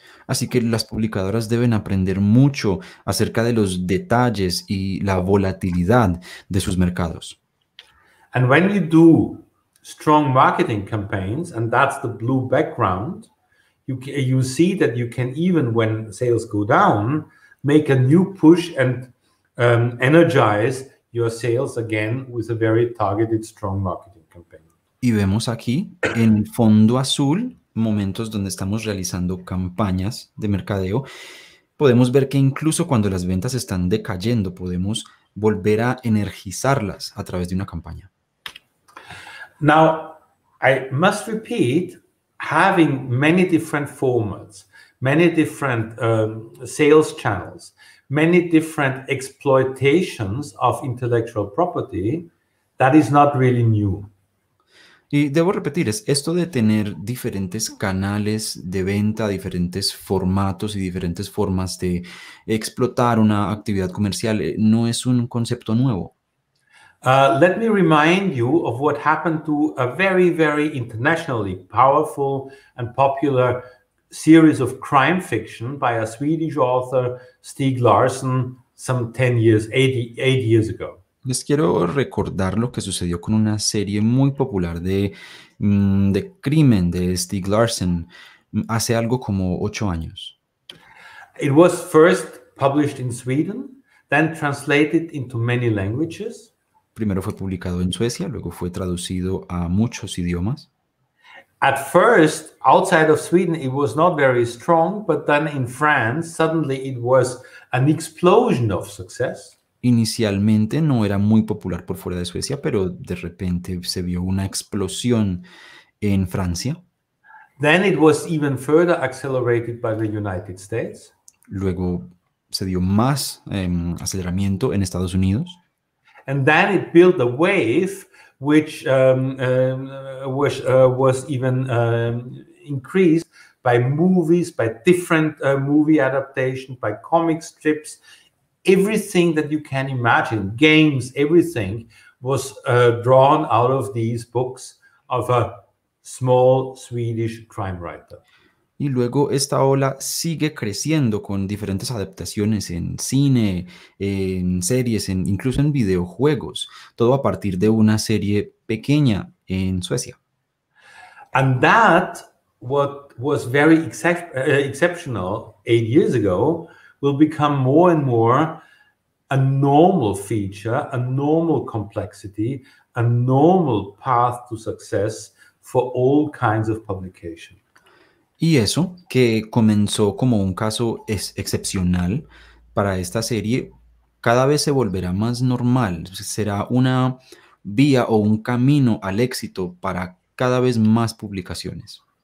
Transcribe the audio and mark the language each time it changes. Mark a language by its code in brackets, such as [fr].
[es] Así que las publicadoras deben aprender mucho acerca de los detalles y la volatilidad de sus mercados. [en] And when you do strong marketing campaigns, and that's the blue background, you see that you can even when sales go down, make a new push and energize your sales again with a very targeted strong marketing campaign. [es] Y vemos aquí en fondo azul momentos donde estamos realizando campañas de mercadeo. Podemos ver que incluso cuando las ventas están decayendo, podemos volver a energizarlas a través de una campaña. [en] Now, I must repeat, having many different formats, many different sales channels, many different exploitations of intellectual property, that is not really new. [es] Y debo repetir, es esto de tener diferentes canales de venta, diferentes formatos y diferentes formas de explotar una actividad comercial, no es un concepto nuevo. [en] Let me remind you of what happened to a very, very internationally powerful and popular series of crime fiction by a Swedish author, Stieg Larsson, some 10 years, 8 years ago. [es] Les quiero recordar lo que sucedió con una serie muy popular de crimen de Stieg Larsson hace algo como 8 años. [en] It was first published in Sweden. then translated into many languages. [es] Primero fue publicado en Suecia, luego fue traducido a muchos idiomas. [en] At first, outside of Sweden, it was not very strong, but then in France, suddenly it was an explosion of success. [es] Inicialmente no era muy popular por fuera de Suecia, pero de repente se vio una explosión en Francia. [en] Then it was even further accelerated by the United States. [es] Luego se dio más aceleramiento en Estados Unidos. [en] And then it built a wave which was even increased by movies, by different movie adaptation, by comic strips. Everything that you can imagine, games, everything was drawn out of these books of a small Swedish crime writer. [es] Y luego esta ola sigue creciendo con diferentes adaptaciones en cine, en series, en, incluso en videojuegos. Todo a partir de una serie pequeña en Suecia. [en] And that, what was very exceptional 8 years ago, will become more and more a normal feature, a normal complexity, a normal path to success for all kinds of publication. [es] Y eso, que comenzó como un caso excepcional para esta serie, cada vez se volverá más normal. Será una vía o un camino al éxito para cada vez más publicaciones.